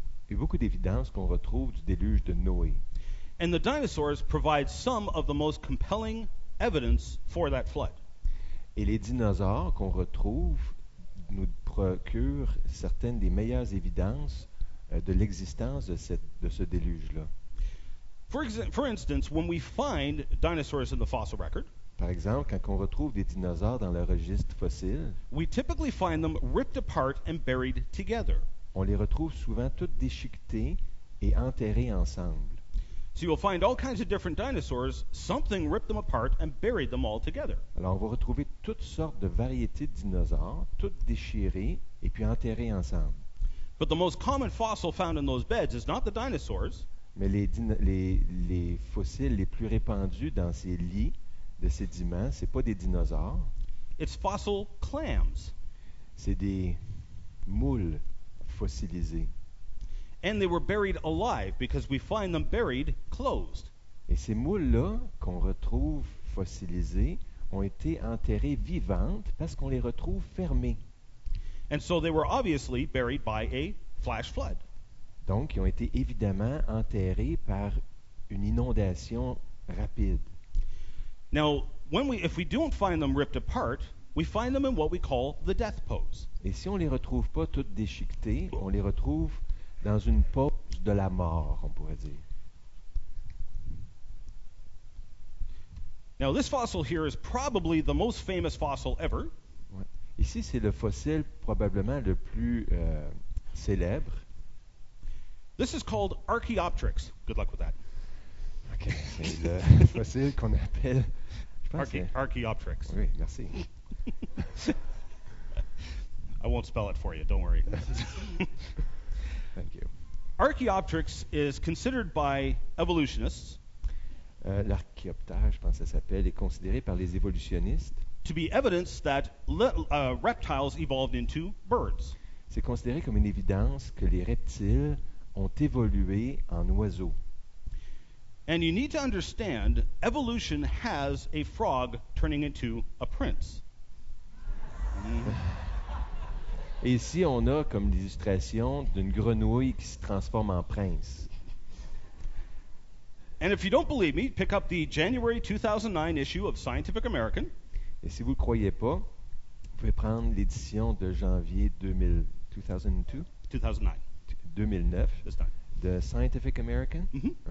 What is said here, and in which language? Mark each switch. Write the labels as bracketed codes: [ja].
[fr] Il y a beaucoup d'évidence qu'on retrouve du déluge de Noé. [en] And the dinosaurs provide some of the most compelling evidence for that flood. [fr] Et les dinosaures qu'on retrouve nous procurent certaines des meilleures évidences de l'existence de ce déluge-là. [en] For instance, when we find dinosaurs in the fossil record, [fr] par exemple, quand on retrouve des dinosaures dans le registre fossile, [en] we typically find them ripped apart and buried together. [fr] On les retrouve souvent toutes déchiquetées et enterrées ensemble. [en] So you'll find all kinds of different dinosaurs, something ripped them apart and buried them all together. [fr] Alors, on va retrouver toutes sortes de variétés de dinosaures, toutes déchirées et puis enterrées ensemble. [en] But the most common fossil found in those beds is not the dinosaurs. [fr] Mais les fossiles les plus répandus dans ces lits de sédiments, c'est pas des dinosaures. [en] It's fossil clams. [fr] C'est des moules fossilisées. [en] And they were buried alive because we find them buried closed. [fr] Et ces moules-là qu'on retrouve fossilisées ont été enterrées vivantes parce qu'on les retrouve fermées. [en] And so they were obviously buried by a flash flood. [fr] Donc, ils ont été évidemment enterrés par une inondation rapide. [en] Now, if we don't find them ripped apart, we find them in what we call the death pose. [fr] Et si on les retrouve pas toutes déchiquetées, on les retrouve dans une pose de la mort, on pourrait dire. [en] Now, this fossil here is probably the most famous fossil ever. [fr] Ouais. Ici, c'est le fossile probablement le plus célèbre. [en] This is called Archaeopteryx. Good luck with that. [fr] Okay, c'est le fossile qu'on appelle... [en] Archaeopteryx. [fr] Oui, merci. [en] I won't spell it for you, don't worry. Thank you. Archaeopteryx is considered by evolutionists... [fr] L'archaeoptère, je pense que ça s'appelle, est considéré par les évolutionnistes... [en] ...to be evidence that reptiles evolved into birds. [fr] C'est considéré comme une évidence que les reptiles... ont évolué en oiseaux. [en] And you need to understand, evolution has a frog turning into a prince. [fr] Et ici, on a comme illustration d'une grenouille qui se transforme en prince. [en] And if you don't believe me, pick up the January 2009 issue of Scientific American. [fr] Et si vous ne croyez pas, vous pouvez prendre l'édition de janvier 2009, The Scientific American. Mm-hmm.